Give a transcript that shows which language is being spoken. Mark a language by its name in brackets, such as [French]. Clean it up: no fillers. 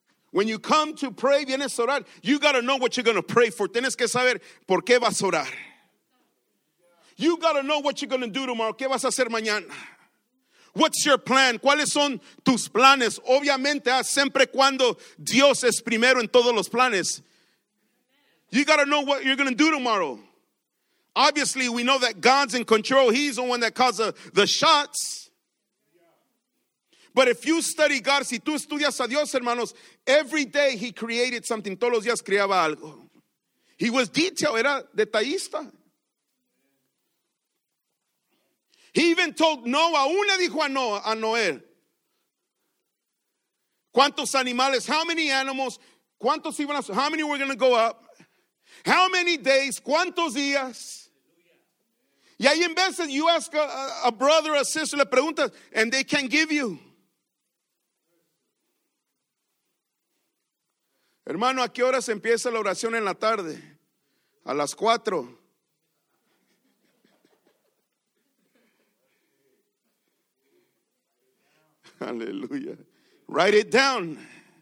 [English] When you come to pray, [Spanish] vienes a orar, [English] you got to know what you're going to pray for. [Spanish] Tienes que saber por qué vas a orar. [English] You got to know what you're going to do tomorrow. [Spanish] ¿Qué vas a hacer mañana? [English] What's your plan? [Spanish] ¿Cuáles son tus planes? Obviamente, siempre cuando Dios es primero en todos los planes. [English] You got to know what you're going to do tomorrow. Obviously, we know that God's in control. He's the one that calls the shots. But if you study God, [Spanish] si tú estudias a Dios, hermanos, [English] every day he created something. [Spanish] Todos los días creaba algo. [English] He was detailed. [Spanish] Era detallista. [English] He even told Noah. [Spanish] Una dijo a Noé. ¿Cuántos animales? [English] How many animals? [Spanish] ¿Cuántos iban a? [English] How many were going to go up? How many days? [Spanish] ¿Cuántos días? Y ahí en veces, [English] you ask a brother, a sister, [Spanish] le preguntas, [English] and they can't give you. [Spanish] Hermano, ¿a qué hora se empieza la oración en la tarde? A las 4. [English] Aleluya. Write it down.